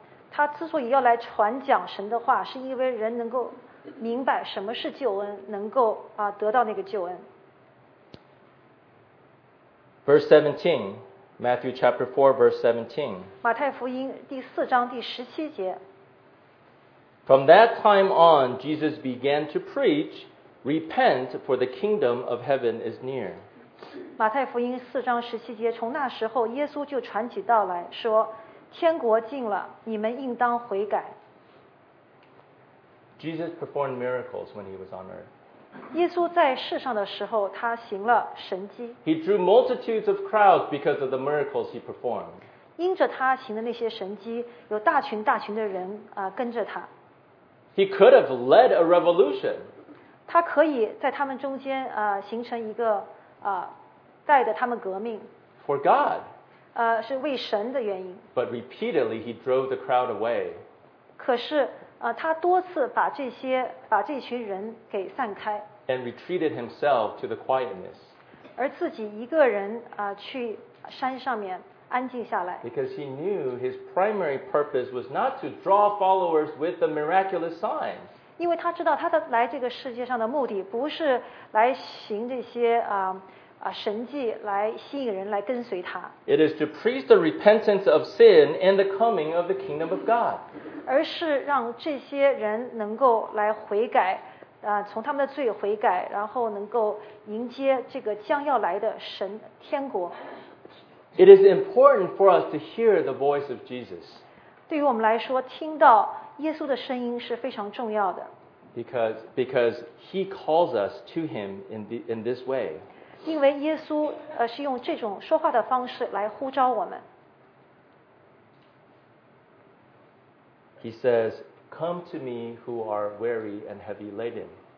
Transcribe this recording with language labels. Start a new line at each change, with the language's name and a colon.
Chinese: 他之所以要来传讲神的话，是因为人能够明白什么是救恩，能够得到那个救恩。
English: Verse 17, Matthew chapter 4, verse 17.
Chinese: 马太福音第四章第十七节。
English: From that time on, Jesus began to preach, "Repent, for the kingdom of heaven is near."
Chinese: 马太福音四章十七节，从那时候，耶稣就传起道来说，天国近了，你们应当悔改。
English: Jesus performed miracles when he was on earth.
Chinese: 耶稣在世上的时候，他行了神迹。
English: He drew multitudes of crowds because of the miracles he performed.
Chinese: 因着他行的那些神迹，有大群大群的人跟着他。
English: He could have led a revolution.
Chinese: 他可以在他们中间形成一个带着他们革命。
English: For God.
Chinese: 是为神的原因。
English: But repeatedly he drove the crowd away.
Chinese: 可是他多次把这群人给散开
English: ，and retreated himself to the quietness，
Chinese: 而自己一个人去山上面安静下来
English: ，because he knew his primary purpose was not to draw followers with the miraculous signs，
Chinese: 因为他知道他的来这个世界上的目的不是来行这些神迹来吸引人来跟随他。
English: It is to preach the repentance of sin and the coming of the kingdom of God.
Chinese: 而是让这些人能够来悔改，从他们的罪悔改，然后能够迎接这个将要来的神天国。
English: It is important for us to hear the voice of Jesus.
Chinese: 对于我们来说，听到耶稣的声音是非常重要的。
English: Because he calls us to him in this way.
Chinese: 因为耶稣是用这种说话的方式来呼召我们。
English: He says, "Come to me, who are weary and heavy laden."